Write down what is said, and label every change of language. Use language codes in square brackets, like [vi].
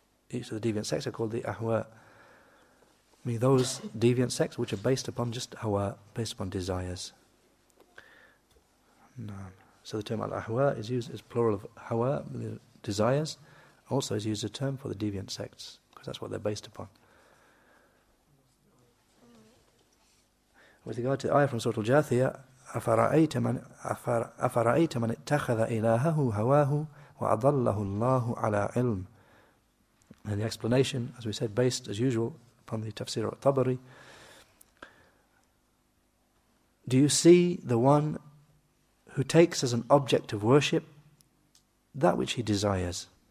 [en] Each of the deviant sects are called the ahwa. Meaning those deviant sects which are based upon just hawa, based upon desires. [ar] نعم. [en] So the term al-ahwa is used as plural of hawa, the desires. Also is used as a term for the deviant sects, because that's what they're based upon. With regard to the ayah from Surah Al-Jathiya, [ar] أَفَرَأَيْتَ مَنْ اتَّخَذَ إِلَاهَهُ هَوَاهُ وَأَضَلَّهُ اللَّهُ عَلَىٰ عِلْمٍ. [en] And the explanation, as we said, based as usual upon the tafsir of Tabari. Do you see the one who takes as an object of worship that which he desires?